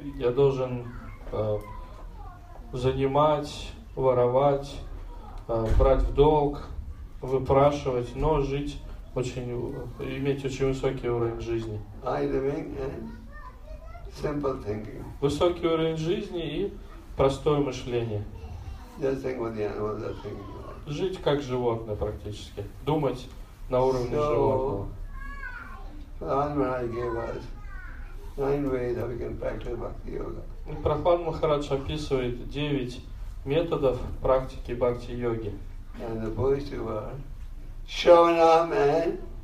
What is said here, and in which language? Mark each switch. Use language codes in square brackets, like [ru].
[ru] Я должен занимать, воровать, брать в долг, выпрашивать, но жить очень, иметь очень высокий уровень жизни. [en] High living and simple thinking. [ru] Высокий уровень жизни и простое мышление. [en] Just think what the animals are thinking about. [ru] Жить как животное практически. Думать на уровне животного. [en] Prahlad Maharaj gave us 9 ways that we can practice bhakti yoga. [ru] Prahlad Maharaj описывает 9 методов практики бхакти-йоги. [en] And the first two are Shravanam and